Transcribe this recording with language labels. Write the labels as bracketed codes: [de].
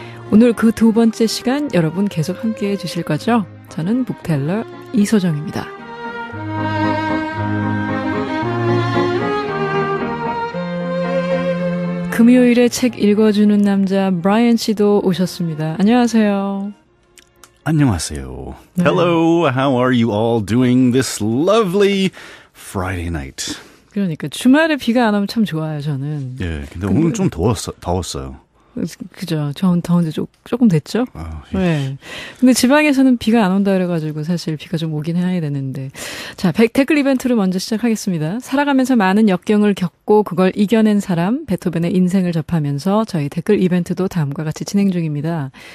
[ko] 오늘 그 두 번째 시간 여러분 계속 함께해 주실 거죠? 저는 북텔러 이소정입니다. 금요일에 책 읽어주는 남자 브라이언 씨도 오셨습니다. 안녕하세요. 안녕하세요. [en] Hello, how are you all doing this lovely Friday night? [ko] 그러니까 주말에 비가 안 오면 참 좋아요, 저는. 예, 근데 오늘 좀 더웠어요. 그죠. 전 더운 지 조금 됐죠? 아, 예. 네. 근데 지방에서는 비가 안 온다 그래가지고 사실 비가 좀 오긴 해야 되는데. 자, 댓글 이벤트를 먼저 시작하겠습니다. 살아가면서 많은 역경을 겪고 그걸 이겨낸 사람, 베토벤의 인생을 접하면서 저희 댓글 이벤트도 다음과 같이 진행 중입니다.